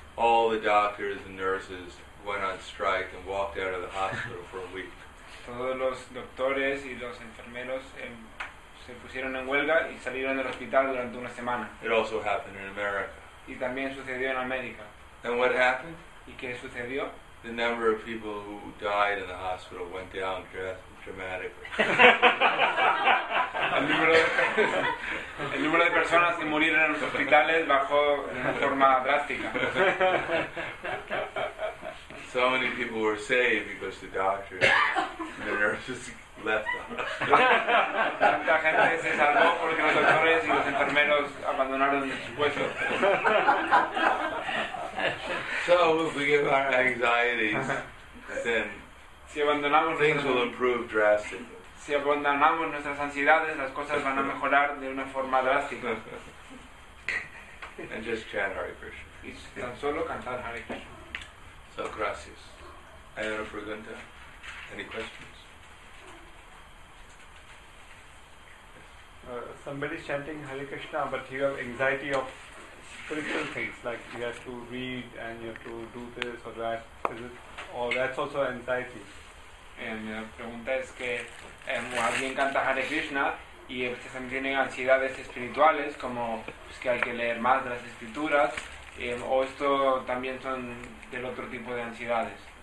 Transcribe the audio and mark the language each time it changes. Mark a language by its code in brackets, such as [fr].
[en] All the doctors and nurses went on strike and walked out of the hospital for a week. [es] Todos los doctores y los enfermeros se pusieron en huelga y salieron del hospital durante una semana. [en] It also happened in America. [es] Y también sucedió en América. [en] And what happened? [es] ¿Y qué sucedió? [en] The number of people who died in the hospital went down drastically. [es] El número de personas que murieron en los hospitales bajó de forma drástica. [en] So many people were saved because the doctors and the nurses left them. [es] Tanta gente se salvó porque los doctores y los enfermeros abandonaron su puesto. [en] So if we give our anxieties, then things will improve drastically. [es] Si abandonamos nuestras ansiedades, las cosas van a mejorar de una forma drástica. [en] And just chant Hare Krishna. [es] Y tan solo cantar Hare Krishna. [en] So, [es] gracias. ¿Hay una pregunta? [en] Any questions? Somebody is chanting Hare Krishna, but you have anxiety of spiritual things, like you have to read and you have to do this or that. Is it, or that's also anxiety. [es] Mi pregunta es que alguien canta Hare Krishna y también tiene ansiedades espirituales como pues, que hay que leer más de las escrituras o esto también son del otro tipo de ansiedades.